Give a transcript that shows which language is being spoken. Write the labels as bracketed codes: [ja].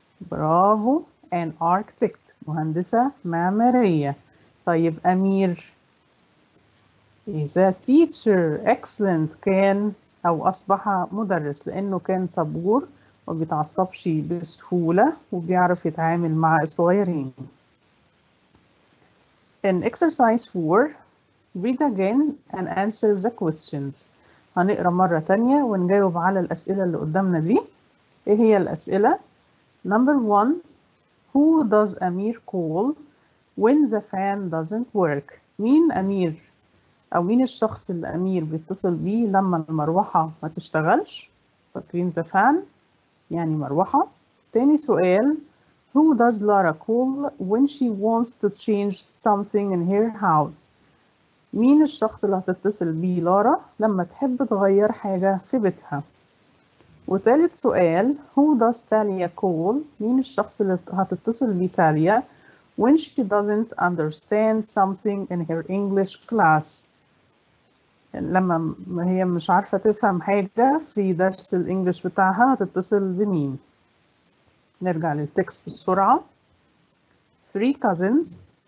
[ar] برافو، an architect، مهندسة معمارية. طيب أمير [en] is a teacher، [ar] excellent، كان أو أصبح مدرس، لأنه كان صبور وبيتعصبش بسهولة وبيعرف يتعامل مع الصغيرين. [en] In exercise 4, read again and answer the questions. [ar] هنقرأ مرة تانية ونجاوب على الأسئلة اللي قدامنا دي. إيه هي الأسئلة؟ [en] Number 1, who does Amir call when the fan doesn't work؟ [ar] مين أمير؟ أو مين الشخص اللي أمير بيتصل بيه لما المروحة ما تشتغلش؟ فاكرين the fan؟ يعني مروحة. [en] تاني سؤال، Who does Lara call when she wants to change something in her house؟ [ar] مين الشخص اللي هتتصل بيه لارا لما تحب تغير حاجة في بيتها؟ وثالث سؤال، [en] Who does Talia call؟ [ar] مين الشخص اللي هتتصل بيه تاليا [en] when she doesn't understand something in her English class؟ [ar] لما هي مش عارفة تفهم حاجة في درس الإنجليش بتاعها هتتصل بمين؟ نرجع للتكست بسرعة. [en] Three cousins.